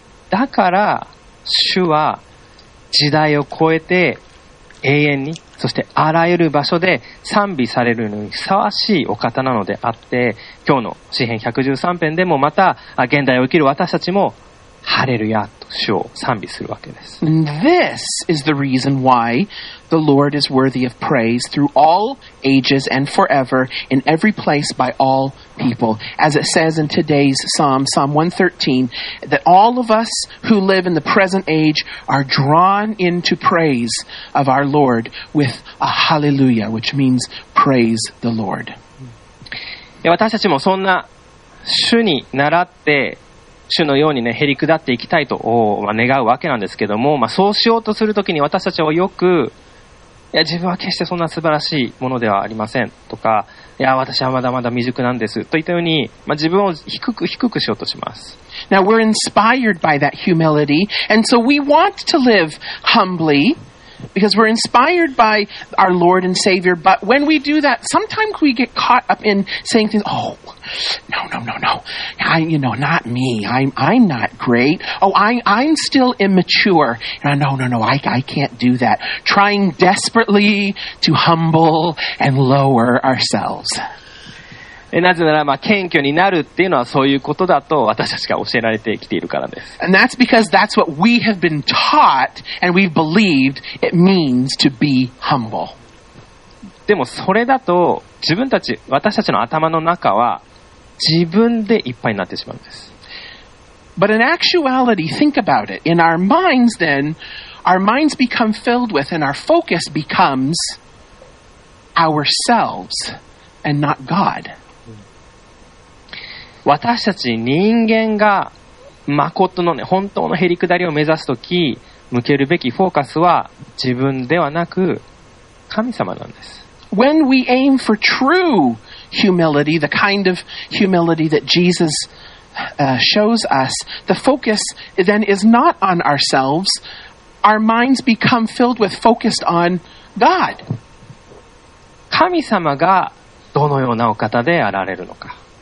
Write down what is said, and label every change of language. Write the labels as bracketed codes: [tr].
[ja] だから主は時代を超えて永遠に、そしてあらゆる場所で賛美されるのにふさわしいお方なのであって、今日の詩編113編でもまた現代を生きる私たちもハレルヤと主を賛美するわけです。 [en] This is the reason why the Lord is worthy of praise through all ages and forever in every place by all people. As it says in today's Psalm, Psalm 113, that all of us who live in the present age are drawn into praise of our Lord with a hallelujah, which means praise the Lord. [ja] 私たちもそんな主に習って主のようにね、減り下っていきたいと、願うわけなんですけども、そうしようとするときに私たちはよく、いや、自分は決してそんな素晴らしいものではありませんとか、いや、私はまだまだ未熟なんですといったように、自分を低くしようとします。 [en] Now we're inspired by that humility, and so we want to live humbly because we're inspired by our Lord and Savior, but when we do that, sometimes we get caught up in saying things, oh,No. Not me. I'm not great. I'm still immature. No, I can't do that. Trying desperately to humble and lower ourselves. [ja] なぜなら、謙虚になるっていうのはそういうことだと私たちが教えられてきているからです。 [en] And that's because that's what we have been taught and we've believed it means to be humble. [ja] でもそれだと自分たち、私たちの頭の中は自分でいっぱいになってしまうんです。 [en] But in actuality, think about it. In our minds then, our minds become filled with and our focus becomes ourselves and not God. [ja] 私たち人間が誠のね、本当のへりくだりを目指すとき、向けるべきフォーカスは自分ではなく神様なんです。 [en] When we aim for true humility, the kind of humility that Jesus, shows us, the focus then is not on ourselves. Our minds become filled with focused on God. [ja] 神様がどのようなお方であられるのか。